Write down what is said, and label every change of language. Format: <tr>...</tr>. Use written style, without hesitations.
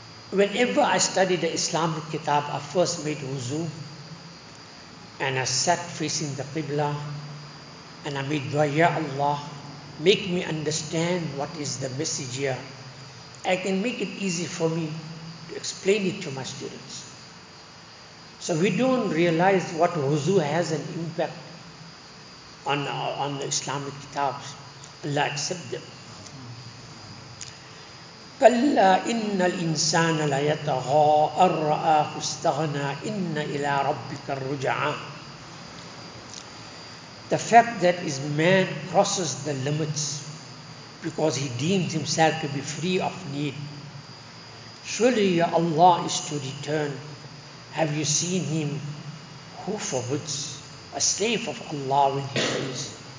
<en>Whenever I studied the Islamic kitab, I first made wuzu and I sat facing the Qibla and I made dua, Ya Allah, make me understand what is the message here. I can make it easy for me to explain it to my students. So we don't realize what wuzu has an impact on the Islamic kitabs. Allah accept them.</en> <ar>كلا إن الإنسان لا يطغى أن رآه استغنى إن إلى ربك الرجعى.</ar> <en>The fact that is man crosses the limits because he deems himself to be free of need. Surely Allah is to return. Have you seen him who forbids a slave of Allah when he is?</en>